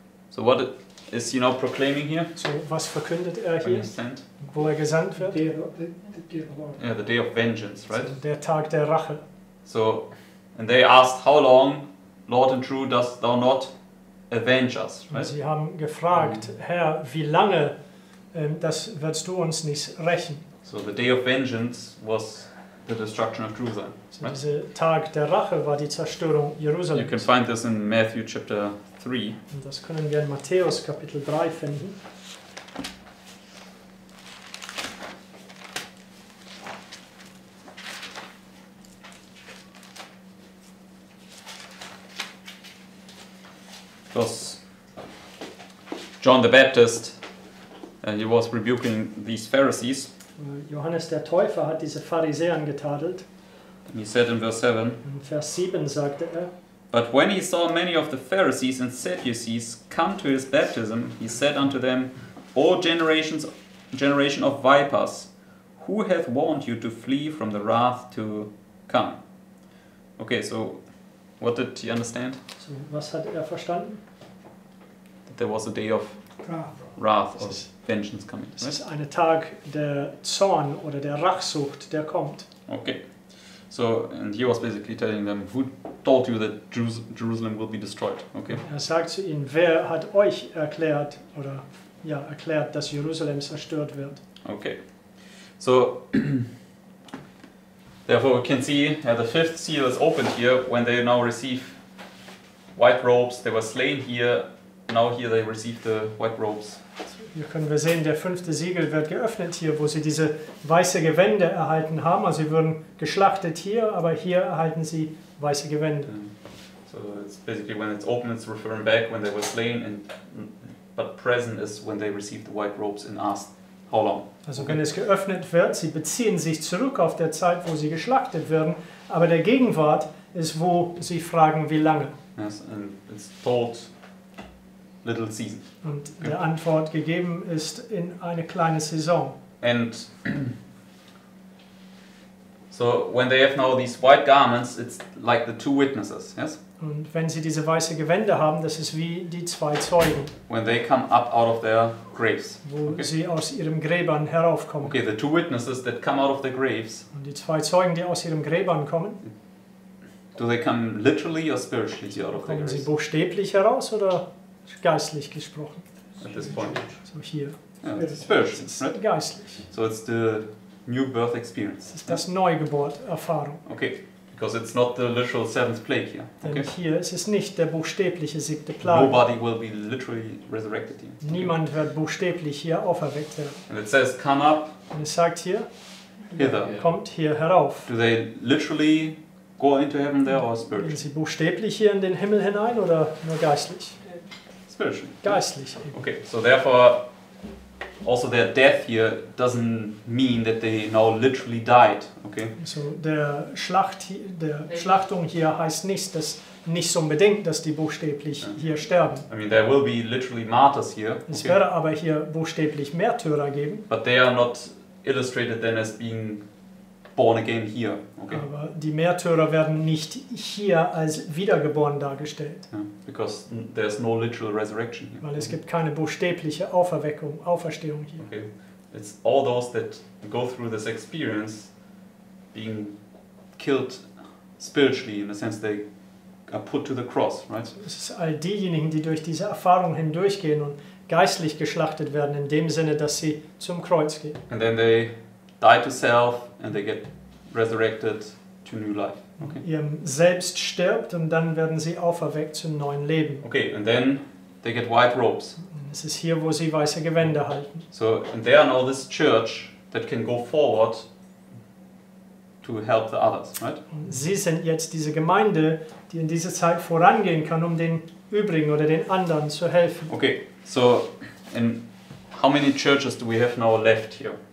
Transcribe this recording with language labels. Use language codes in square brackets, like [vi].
[en] So what is he now proclaiming here? [de] So was verkündet er hier? [en] When he's sent? [de] Wo er gesandt wird? [en] The day of vengeance, right? [de] So der Tag der Rache. [en] So, and they asked, how long, Lord and true, dost thou not avenge us? Right? [de] Sie haben gefragt, Herr, wie lange das wirst du uns nicht rächen? [en] So the day of vengeance was the destruction of Jerusalem. Right? [de] So dieser Tag der Rache war die Zerstörung Jerusalems. [en] You can find this in Matthew chapter 3. [de] Und das können wir in Matthäus Kapitel 3 finden. [en] Because John the Baptist, he was rebuking these Pharisees. [de] Johannes der Täufer hat diese Pharisäern getadelt. [en] He said in verse 7, [de] in Vers 7 sagte er, [en] but when he saw many of the Pharisees and Sadducees come to his baptism, he said unto them, O generation of vipers, who hath warned you to flee from the wrath to come? Okay, so what did he understand? [de] So was hat er verstanden? [en] That there was a day of wrath or vengeance coming. [de] Es ist ein Tag der Zorn oder der Rachsucht, der kommt. Okay. [en] So, and he was basically telling them, who told you that Jerusalem will be destroyed? Okay. [de] Er sagt zu ihnen, wer hat euch erklärt, oder ja, erklärt, dass Jerusalem zerstört wird? Okay. [en] So, therefore we can see that the fifth seal is opened here, when they now receive white robes, they were slain here, now here they receive the white robes. [de] Hier können wir sehen, der fünfte Siegel wird geöffnet hier, wo sie diese weiße Gewände erhalten haben. Also sie wurden geschlachtet hier, aber hier erhalten sie weiße Gewände. [en] So it's basically when it's open, it's referring back when they were slain, and but present is when they received the white robes and asked, how long? [de] Also okay. Wenn es geöffnet wird, sie beziehen sich zurück auf der Zeit, wo sie geschlachtet werden, aber der Gegenwart ist, wo sie fragen, wie lange? [en] Yes, and it's told, little season. [de] Und der Antwort gegeben ist in eine kleine Saison. [en] And So when they have now these white garments, it's like the two witnesses, yes? [de] Und wenn sie diese weiße Gewänder haben, das ist wie die zwei Zeugen. [en] When they come up out of their graves. [de] Wo sie aus ihren Gräbern heraufkommen. [en] Okay, the two witnesses that come out of their graves. [de] Und die zwei Zeugen, die aus ihren Gräbern kommen. [en] Do they come literally or spiritually out of their graves? [de] Kommen sie buchstäblich heraus oder geistlich gesprochen? [en] At this point. [de] So hier. [en] Yeah, spiritually, right? [de] Geistlich. [en] So it's the new birth experience. [de] Ist das Neugeburt-Erfahrung. Okay. [en] Because it's not the literal seventh plague here. [de] Denn okay. Hier ist es nicht der buchstäbliche siebte Plage. [en] Nobody will be literally resurrected here. [de] Niemand okay. wird buchstäblich hier auferweckt werden. [en] And it says, come up. [de] Und es sagt hier, [en] hither. [de] Kommt hier herauf. [en] Do they literally go into heaven there or spiritually? [de] Gehen sie buchstäblich hier in den Himmel hinein oder nur geistlich? [en] Spiritually. [de] Geistlich. [en] Okay, so therefore, also their death here doesn't mean that they now literally died, okay? [de] So der Schlachtung hier heißt nicht, dass nicht so unbedingt, dass die buchstäblich hier sterben. [en] I mean, there will be literally martyrs here. [de] Okay? Es werde aber hier buchstäblich Märtyrer geben. [en] But they are not illustrated then as being born again here, okay? [de] Aber die Märtyrer werden nicht hier als wiedergeboren dargestellt. [en] Yeah, because there's no literal resurrection here. [de] Weil es gibt keine buchstäbliche Auferstehung hier. Okay. [en] It's all those that go through this experience being killed spiritually, in the sense they are put to the cross, right? [de] Es ist all diejenigen, die durch diese Erfahrung hindurchgehen und geistlich geschlachtet werden, in dem Sinne, dass sie zum Kreuz gehen. [en] And then they die to self and they get resurrected to new life. Okay. [de] Ihrem Selbst stirbt und dann werden sie auferweckt zum neuen Leben. [en] Okay, and then they get white robes. [de] Es ist hier, wo sie weiße Gewänder halten. [en] So, and they are now this church that can go forward to help the others, right? [de] Und sie sind jetzt diese Gemeinde, die in dieser Zeit vorangehen kann, um den Übrigen oder den anderen zu helfen. [en] Okay, so, and how many churches do we have now left here?